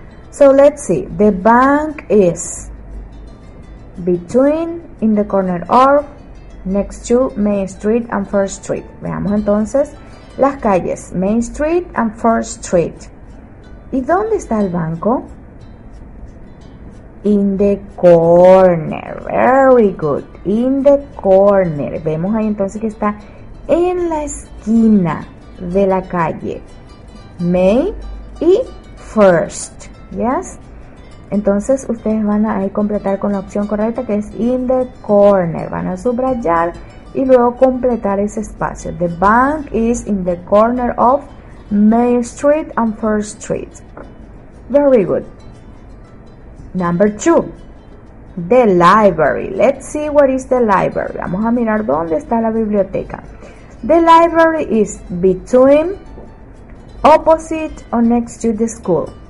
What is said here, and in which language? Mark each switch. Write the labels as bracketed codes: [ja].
[en] So let's see, the bank is between, in the corner of, next to Main Street and First Street. [es] Veamos entonces las calles, Main Street and First Street. ¿Y dónde está el banco? [en] In the corner, very good, in the corner. [es] Vemos ahí entonces que está en la esquina de la calle May y First, yes. Entonces ustedes van a completar con la opción correcta, que es [en] in the corner. [es] Van a subrayar y luego completar ese espacio. [en] The bank is in the corner of May Street and First Street. Very good. Number two, the library. Let's see what is the library. [es] Vamos a mirar dónde está la biblioteca. [en] The library is between, opposite or next to the school.